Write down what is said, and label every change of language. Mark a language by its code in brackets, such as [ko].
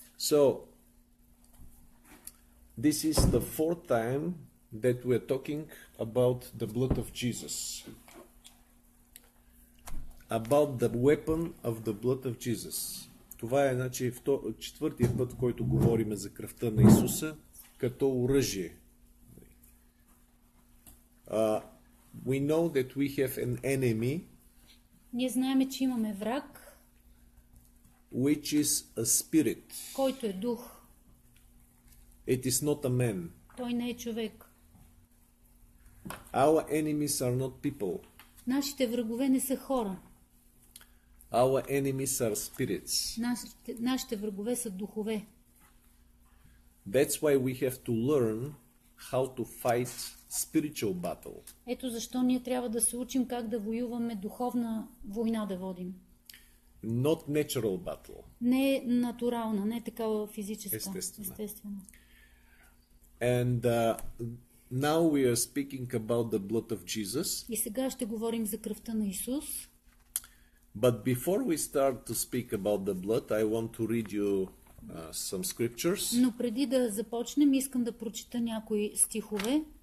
[en] So, this is the fourth time that we are talking about the blood of Jesus. About the weapon of the blood of Jesus. [bg] Това е, значи, четвъртият път, който говорим за кръвта на Исуса, като оръжие. [en] We know that we have an enemy. [bg] Ние знаем, че имаме враг. [en] Which is a spirit. [bg] Който е дух. [en] It is not a man. [bg] Той не е човек. [en] Our enemies are not people. [bg] Нашите врагове не са хора. [en] Our enemies are spirits. [bg] Нашите врагове са духове. [en] That's why we have to learn how to fight spiritual battle. [bg] Ето защо ние трябва да се учим как да воюваме, духовна война да водим. [en] Not natural battle. [bg] Не натурална, не такава физическа. Естествена. [en] And now we are speaking about the blood of Jesus. [bg] И сега ще говорим за кръвта на Исус. [en] But before we start to speak about the blood, I want to read you some scriptures. [bg] Но преди да започнем, искам да прочита някои стихове.